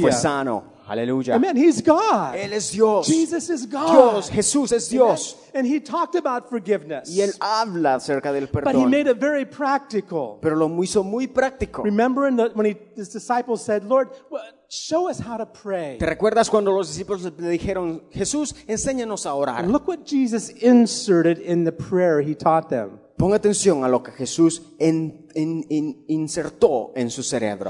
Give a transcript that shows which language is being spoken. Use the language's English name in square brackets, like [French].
[Spanish] Fue sano. Hallelujah. [English] Amen. He's God. [Spanish] Él es Dios. [English] Jesus is God. [Spanish] Dios, Jesús es Dios. [English] And he talked about forgiveness. [Spanish] Y él habla acerca del perdón. [English] But he made it very practical. [Spanish] Pero lo hizo muy práctico. [English] Remember when his disciples said, Lord, show us how to pray. [Spanish] ¿Te recuerdas cuando los discípulos le dijeron, Jesús, enséñanos a orar? [English] And look what Jesus inserted in the prayer he taught them. [Spanish] Pon atención a lo que Jesús insertó en su cerebro.